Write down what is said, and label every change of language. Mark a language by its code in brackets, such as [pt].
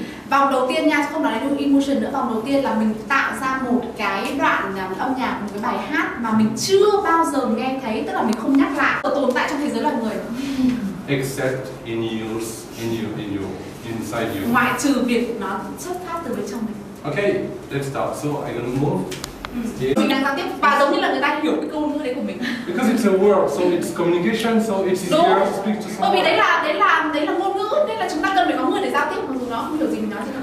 [vi] Vòng đầu tiên nha, không nói đến emotion nữa. Vòng đầu tiên là mình tạo ra một cái đoạn âm nhạc, một cái bài hát mà mình chưa bao giờ nghe thấy, tức là mình không nhắc lại, và tồn tại trong thế giới loài người. [en] Except in yours, inside you. [vi] Ngoại trừ việc nó xuất phát từ bên trong mình. [en] Okay, let's start. So I'm gonna move. [vi] Mình đang giao tiếp và giống như là người ta hiểu cái câu nói đấy của mình. [en] Because it's a word, so it's communication, so it's easier to speak to someone. [vi] Bởi vì đấy là ngôn ngữ, nên là chúng ta cần phải có người để giao tiếp, mặc dù nó không hiểu gì mình nói.